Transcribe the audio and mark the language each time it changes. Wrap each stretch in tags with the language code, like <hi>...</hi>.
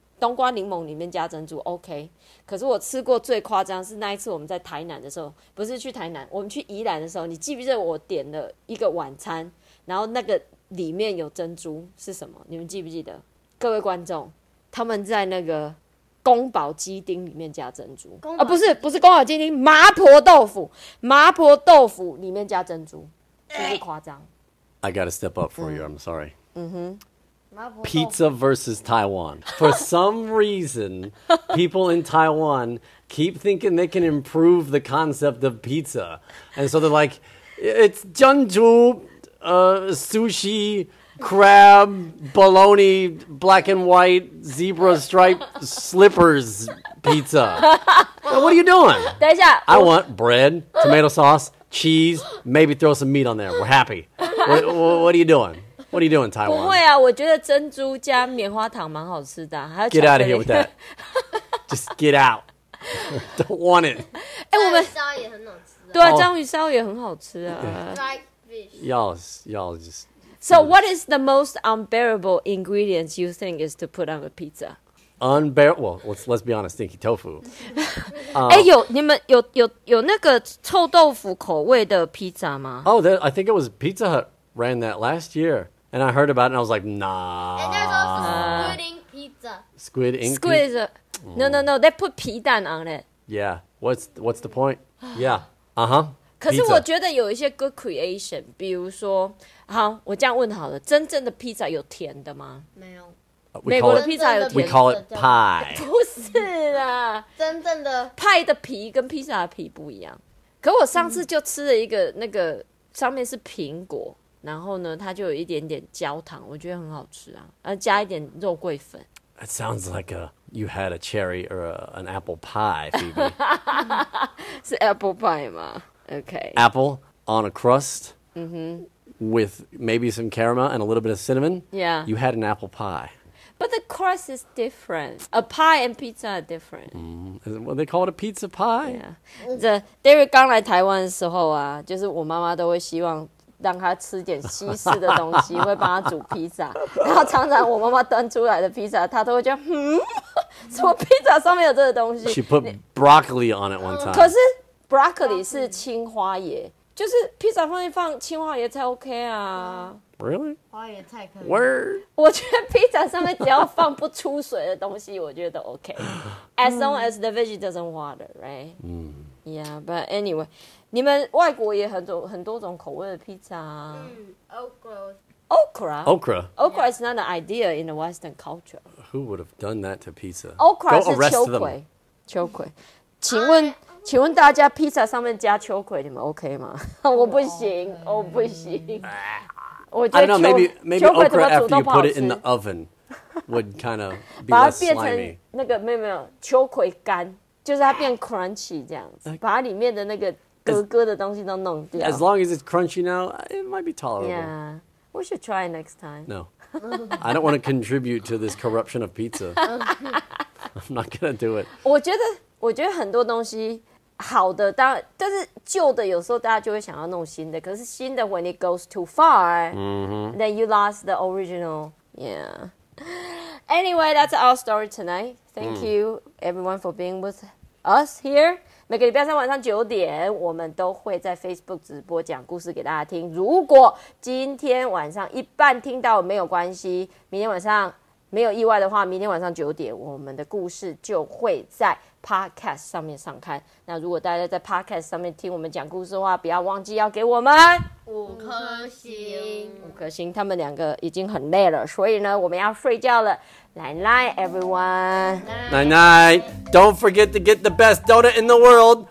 <zh>冬瓜柠檬里面加珍珠 ，OK。可是我吃过最夸张是那一次我们在台南的时候，不是去台南，我们去宜兰的时候，你记不记得我点了一个晚餐，然后那个里面有珍珠是什么？你们记不记得？各位观众，他们在那个宫保鸡丁里面加珍珠啊，不是宫保鸡丁，麻婆豆腐里面加珍珠，是不是夸张</zh> <en>？I gotta step up for you. I'm sorry. 嗯哼。 Pizza versus Taiwan. For some reason, people in Taiwan keep thinking they can improve the concept of pizza. And so they're like, it's junju, sushi, crab, bologna, black and white, zebra stripe, slippers pizza. Now, what are you doing?</en> <zh>等一下,</zh> <en>I want bread, tomato sauce, cheese, maybe throw some meat on there. We're happy. What are you doing? What are you doing, Taiwan?</en> <zh>不会啊，我觉得珍珠加棉花糖蛮好吃的，还有巧克力。</zh> <en>Get out of here with that. Just get out. Don't want it.</en> <zh>哎，我们章鱼烧也很好吃。对啊，章鱼烧也很好吃啊。</zh> <en>Dried fish. Y'all just. So, what is the most unbearable ingredients you think is to put on a pizza? Unbearable. Well, let's be honest. Stinky tofu.</en> <zh>哎，有你们有那个臭豆腐口味的披萨吗</zh> <en>？Oh, that, I think it was Pizza Hut ran that last year. And I heard about it, and I was like, nah. And there's also squid ink pizza. Squid ink pizza. No. They put 皮蛋 on it. Yeah. What's the point? Yeah. Uh-huh.</en> <zh>可是我觉得有一些 good creation, 比如说，好，我这样问好了，真正的 pizza 有甜的吗？没有。美国的 pizza 有甜的。</zh> <en>We call it pie.</en> <zh>不是啦。真正的。派的皮跟 pizza 的皮不一样。可我上次就吃了一个那个上面是苹果。然后呢，它就有一点点焦糖，我觉得很好吃啊。加一点肉桂粉。</zh> <en>That sounds like you had a cherry or an apple pie, Phoebe.</en> <zh>是 apple pie 吗 ？OK.</zh> <en>Apple on a crust. 嗯哼。 With maybe some caramel and a little bit of cinnamon. Yeah. You had an apple pie. But the crust is different. A pie and pizza are different. Well, they call it a pizza pie.</en> <zh>Yeah. David 刚来台湾的时候啊，就是我妈妈都会希望。让他吃点西式的东西，会帮他煮披萨。然后常常我妈妈端出来的披萨，他都会觉得，什么披萨上面有这个东西</zh> <en>？She put broccoli on it one time.</en> <zh>可是 broccoli 是青花椰，就是披萨上面放青花椰才 OK 啊。</zh> <en>Really?</en> <zh>花椰菜可以。</zh> <en>Word.</en> <zh>我觉得披萨上面只要放不出水的东西，我觉得 OK.</zh> <en>As long as the veggie doesn't water, right? Yeah, but anyway.</en> <zh>你们外国也很多种口味的披萨啊。</zh> <en>Okra. Okra is not an idea in the Western culture. Who would have done that to pizza? Okra is 秋葵。</en> <zh>秋葵，请问大家披萨上面加秋葵，你们 OK 吗？我不行，我不行。</zh> <en>I don't know. Maybe okra after you put it in the oven would kind of be less slimy.</en> <zh>把它变成那个没有秋葵干，就是它变 crunchy 这样子，把它里面的那个。</zh> <en>As long as it's crunchy now, it might be tolerable. Yeah, we should try next time. No. I don't want to contribute to this corruption of pizza. I'm not going to do it.</en> <zh>我觉得很多东西好的当然但是旧的有时候大家就会想要弄新的可是新的 when it goes too far,、 mm-hmm.</zh> <en>then you lost the original. Yeah. Anyway, that's our story tonight. Thank you everyone for being with us here.</en> <zh>每个礼拜三晚上九点，我们都会在 Facebook 直播讲故事给大家听。如果今天晚上一半听到没有关系，明天晚上没有意外的话，明天晚上九点我们的故事就会在 Podcast 上面上刊。那如果大家在 Podcast 上面听我们讲故事的话，不要忘记要给我们五颗星。五颗星，他们两个已经很累了，所以呢，我们要睡觉了。</zh> <en>Night night, everyone. Night night. Don't forget to get the best donut in the world.</en>